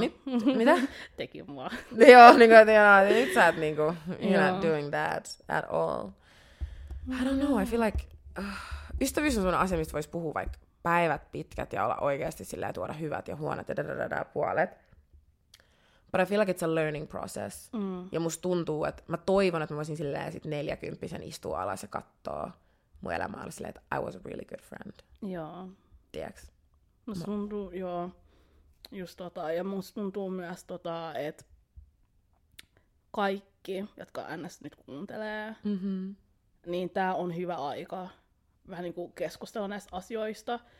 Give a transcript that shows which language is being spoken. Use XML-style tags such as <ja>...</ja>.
<fi>Nyt, mitä? Teki mua.</fi> <en>Joo, niin kuin, you know,</en> <fi>nyt sä et niin kuin,</fi> <en>you're not doing that at all. I don't know, I feel like</en> <fi>ystävyys on sellainen asia, mistä voisi puhua vaikka päivät pitkät ja olla oikeasti silleen tuoda hyvät ja huonot ja puolet.</fi> <en>But I feel like it's a learning process.</en> <fi>Ja musta tuntuu, että mä toivon, että mä voisin silleen sit 40-vuotiaana istua alas ja katsoa mun elämää oli silleen, että</fi> <en>I was a really good friend.</en> <fi>Joo. Tiiäks? Musta tuntuu, joo. Just tota, ja musta tuntuu myös tota, että kaikki, jotka NS nyt kuuntelee, niin tää on hyvä aika vähän niinku keskustella näistä asioista.</fi>